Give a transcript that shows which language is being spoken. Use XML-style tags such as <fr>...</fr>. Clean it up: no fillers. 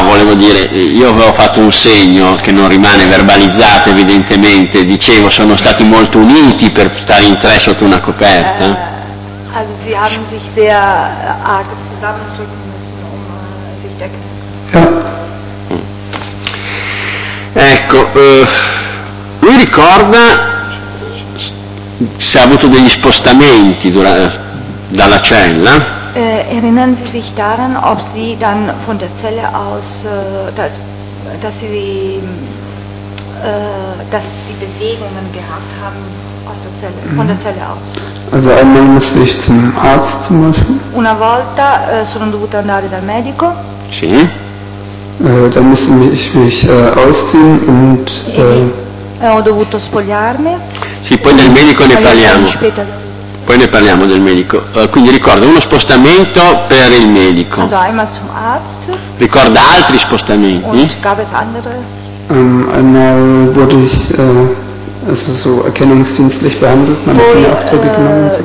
<it>No, volevo dire, io avevo fatto un segno che non rimane verbalizzato evidentemente. Dicevo, sono stati molto uniti per stare in tre sotto una coperta.</it> <de>Also sie haben sich sehr arg zusammendrücken müssen, um sich decken zu können.</de> <it>Ecco. Lui ricorda se ha avuto degli spostamenti dalla cella?</it> <de>Erinnern Sie sich daran, ob Sie dann von der Zelle aus, dass Sie Bewegungen gehabt haben aus der Zelle, von der Zelle aus? Also einmal musste ich zum Arzt zum Beispiel.</de> <it>Una volta sono dovuta andare dal medico. Sì.</it> <de>Dann musste ich mich ausziehen und...</de> <it>ho dovuto spogliarmi. Sì, poi del medico ne parliamo. Poi ne parliamo del medico. Quindi ricorda uno spostamento per il medico.</it> <de>Also einmal zum Arzt.</de> <it>Ricorda altri spostamenti?</it> <de>Und gab es andere? Einmal wurde ich Also so erkennungsdienstlich behandelt, man hat die Abdrücke genommen.</de>